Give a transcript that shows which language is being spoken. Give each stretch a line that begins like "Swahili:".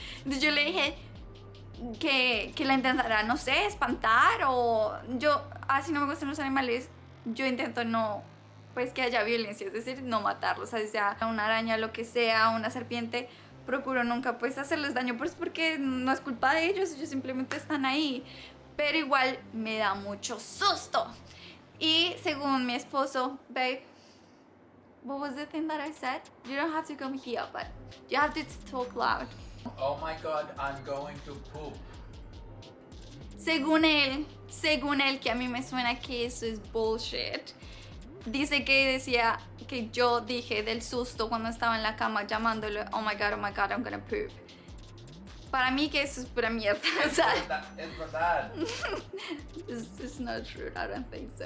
Spanish: Entonces yo le dije que la intentara, no sé, espantar o yo, así no me gustan los animales, yo intento no, pues que haya violencia, es decir, no matarlos, así sea una araña, lo que sea, una serpiente, procuro nunca pues hacerles daño, pues porque no es culpa de ellos, ellos simplemente están ahí, pero igual me da mucho susto. Y según mi esposo,
English: babe, what was the thing that I said? You don't have to come here, but you have to talk loud. Oh my God, I'm going to poop.
Spanish: Según él, que a mí me suena que eso es bullshit, dice que decía que yo dije del susto cuando estaba en la cama llamándole,
English: oh my god, I'm gonna poop.
Spanish: Para mí que eso es pura mierda. Es verdad.
English: It's not true, I don't think so.